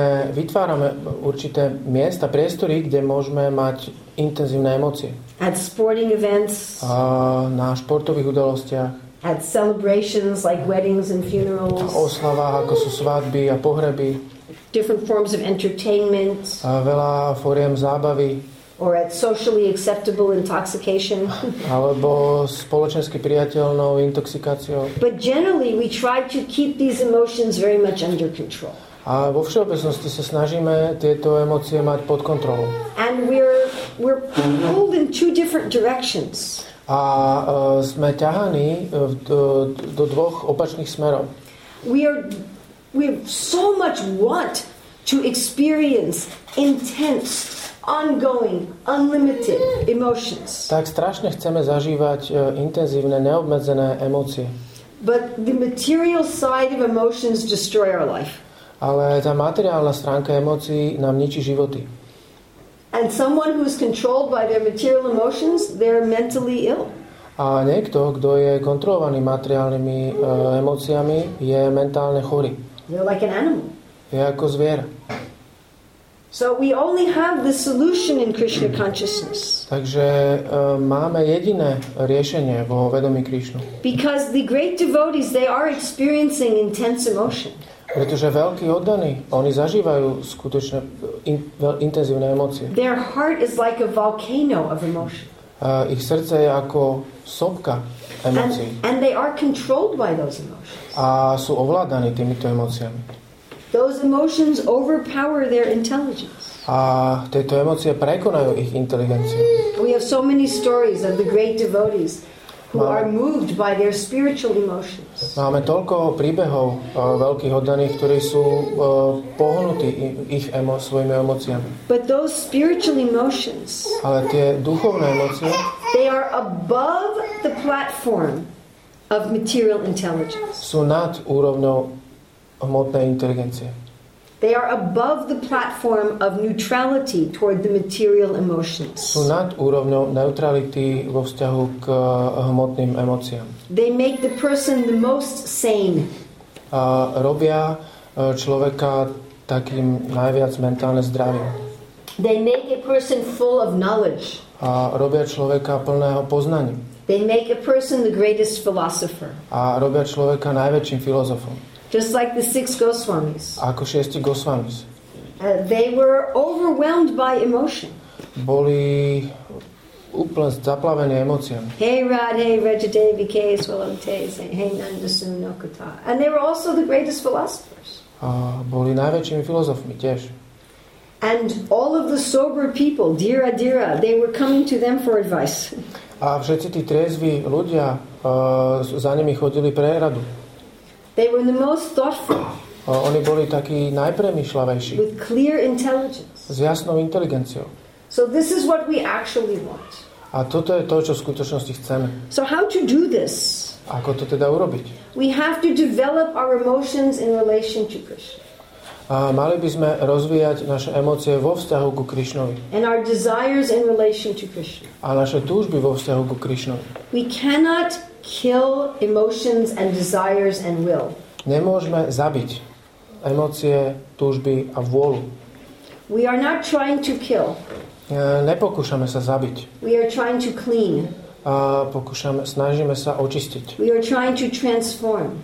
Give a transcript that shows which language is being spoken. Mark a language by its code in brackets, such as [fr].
[sk] Vytvárame určité miesta, priestory, kde môžeme mať intenzívne emócie. [en] At sporting events. [sk] Na športových udalostiach. [en] At celebrations like weddings and funerals. [sk] Na oslavách, ako sú svadby a pohreby. [en] Different forms of entertainment. [sk] Veľa foriem zábavy. [en] Or at socially acceptable intoxication. [sk] Alebo spoločensky priateľnou intoxikáciou. [en] But generally we try to keep these emotions very much under control. [sk] A vo všeobecnosti sa snažíme tieto emócie mať pod kontrolou. [en] And we're pulled in two different directions. [sk] A sme ťahaní do dvoch opačných smerov. [en] We have so much want to experience intense, ongoing, unlimited emotions. [sk] Tak strašne chceme zažívať intenzívne, neobmedzené emócie. [en] But the material side of emotions destroy our life. [sk] Ale tá materiálna stránka emócií nám ničí životy. [en] And someone who is controlled by their material emotions, they're mentally ill. [sk] A niekto, kto je kontrolovaný materiálnymi emóciami, je mentálne chorý. [en] They're like an animal. [sk] Je ako zviera. [en] So we only have the solution in Krishna consciousness. [sk] Takže máme jediné riešenie vo vedomí Krishna. [en] Because the great devotees, they are experiencing intense emotion. [sk] Pretože veľkí oddaní, oni zažívajú skutočne intenzívne emócie. [en] Their heart is like a volcano of emotion. [sk] Ich srdce je ako sopka emócií. [en] And they are controlled by those emotions. [sk] A sú ovládaní týmito emóciami. [en] Those emotions overpower their intelligence. [sk] A tieto emócie prekonajú ich inteligenciu. [en] We have so many stories of the great devotees who are moved by their spiritual emotions. [sk] Máme toľko príbehov veľkých oddaných, ktorí sú pohnutí ich svojimi emóciami. [en] But those spiritual emotions. [sk] Ale tie duchovné emócie. [en] They are above the platform of material intelligence. [sk] Sú nad úrovňou hmotnej inteligencie. [en] They are above the platform of neutrality toward the material emotions. [sk] Sú nad úrovňou neutrality vo vzťahu k hmotným emóciám. [en] They make the person the most sane. [sk] A robia človeka takým najviac mentálne zdravým. [en] They make a person full of knowledge. [sk] A robia človeka plného poznania. [en] They make a person the greatest philosopher. [sk] A robia človeka najväčším filozofom. [en] Just like the six Goswamis. [sk] Ako šiesti Goswamis. [en] They were overwhelmed by emotion. [sk] Boli úplne zaplavení emóciami. [sa] Hey Rad, hey Rajadevi, Kay Swalamte, hey Nandasun Nokata. [en] And they were also the greatest philosophers. [sk] Boli najväčšími filozofmi tiež. [en] And all of the sober people, Dira Dira, they were coming to them for advice. [sk] A všetci tí triezvi ľudia za nimi chodili pre radu. [en] They were the most thoughtful. [sk] Oni boli takí najpremýšľavejší. [en] With clear intelligence. [sk] S jasnou inteligenciou. [en] So this is what we actually want. [sk] A toto je to, čo v skutočnosti chceme. [en] So how to do this? [sk] Ako to teda urobiť? [en] We have to develop our emotions in relation to Krishna. [sk] A mali by sme rozvíjať naše emócie vo vzťahu ku Krišnovi. [en] And our desires in relation to Krishna. [sk] A naše túžby vo vzťahu ku Krišnovi. [en] We cannot kill emotions and desires and will. [sk] Nemôžeme zabiť emócie, túžby a vôľu. [en] We are not trying to kill. [sk] Nepokúšame sa zabiť. [en] We are trying to clean. [sk] Snažíme sa očistiť. [en] We are trying to transform.